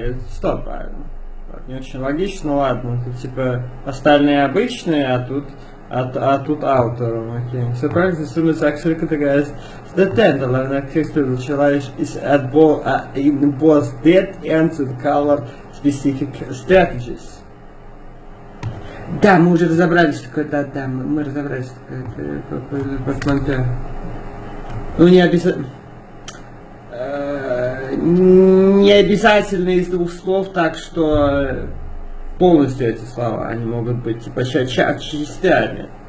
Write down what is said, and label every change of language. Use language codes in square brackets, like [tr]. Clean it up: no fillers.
[ru] Стоп, не очень логично, ладно, тут типа остальные обычные, а тут outer room, окей. [en] Okay. Surprisingly, this room is actually categorized as dead end, and actually the challenge is at in both dead ends with color specific strategies. [ru] Да, мы уже разобрались, что такое да-да, мы разобрались, что такое портманто. Ну, не обязательно из двух слов, так что полностью эти слова, они могут быть типа частями.